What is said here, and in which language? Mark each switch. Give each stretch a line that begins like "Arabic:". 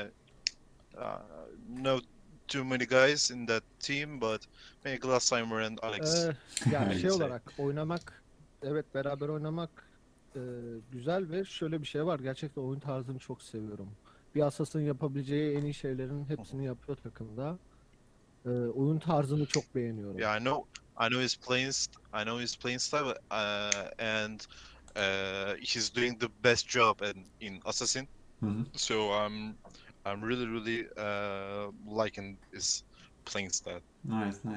English: I know too many guys in that team, but maybe Gladsheim and Alex.
Turkish: Yani şey olarak oynamak, evet beraber oynamak güzel ve şöyle bir şey var. Gerçekten oyun tarzını çok seviyorum. Bir assassin yapabileceği en iyi şeylerin hepsini yapıyor takımda. Oyun tarzını çok beğeniyorum.
English: Yeah, I know his playing style and he's doing the best job in assassin. Mm-hmm. So I'm really really liking his playing style. Nice.